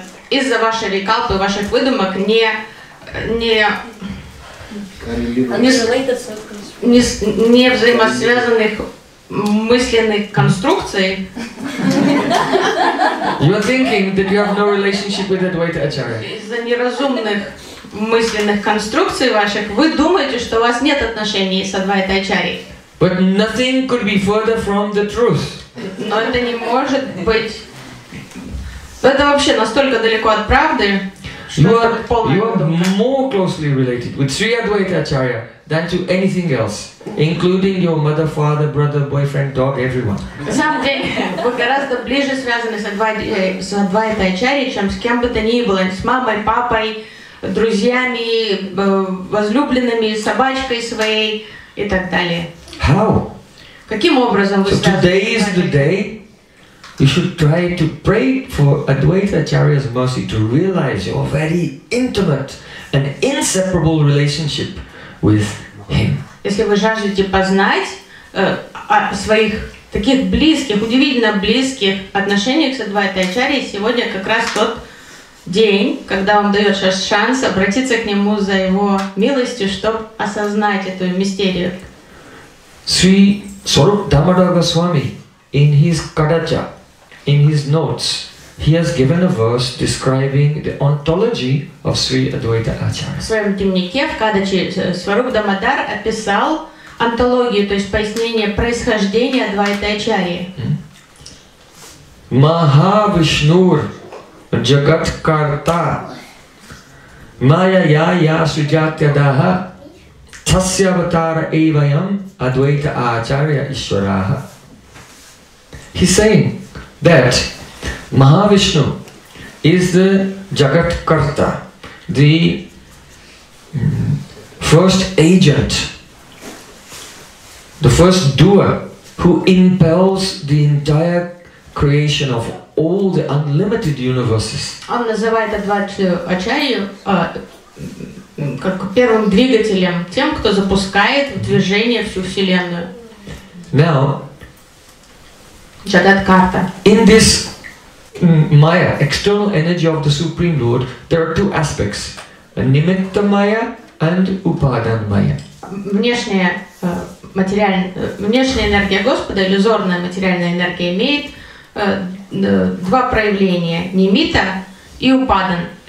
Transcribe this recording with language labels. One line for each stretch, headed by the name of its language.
Russian: Из-за вашей рекалпы, ваших выдумок не взаимосвязанных мысленных конструкций.
English: You are thinking that you have no relationship with Advaita Acharya.
Russian: Из-за неразумных мысленных конструкций ваших, вы думаете, что у вас нет отношений с Адвайтой Ачарьей.
English: But nothing could be further from the truth.
Russian: Но это не может быть. Это вообще настолько далеко от правды, что
English: you are, more closely related with Sri Advaita Acharya than to anything else, including your mother, father, brother, boyfriend, dog, everyone.
Russian: На самом деле, вы гораздо ближе связаны с Адвайтой Ачарьей, чем с кем бы то ни было, с мамой, папой, друзьями, возлюбленными, собачкой своей и так далее.
English: How?
Russian: Каким образом вы связаны?
English: So today is the day you should try to pray for Advaita Acharya's mercy to realize your very intimate and inseparable relationship with him.
Russian: Если вы жаждете познать своих таких близких, удивительно близких отношениях с Адвайтой Ачарьей, сегодня как раз тот день, когда он дает шанс обратиться к нему за его милостью, чтобы осознать эту мистерию.
English: Sri Swarup Damodar Goswami, in his Kadacha, in his notes, he has given a verse describing the ontology of Sri Advaita Acharya.
Russian: В своем дневнике в Кадаче Сварупа Дамодар описал онтологию, то есть пояснение происхождения Адвайты Ачарьи.
Sanskrit: Махавишнур Джагаткарта Майая Суджатьядаха Тасья Аватара Эйвайам Адвайта Ачарья Ишвараха.
English: He's saying that Mahavishnu is the Jagatkarta, the first agent, the first doer who impels the entire creation of all the unlimited universes.
Russian: Он называет Адвайту Ачарью как первым двигателем, тем, кто запускает в движение всю Вселенную.
English: Now, Jagatkarta. In this Maya, external energy of the Supreme Lord, there are two aspects, Nimitta Maya and Upadana Maya.
Russian: Внешняя энергия Господа, иллюзорная материальная энергия, имеет два проявления, Nimitta и Upadana.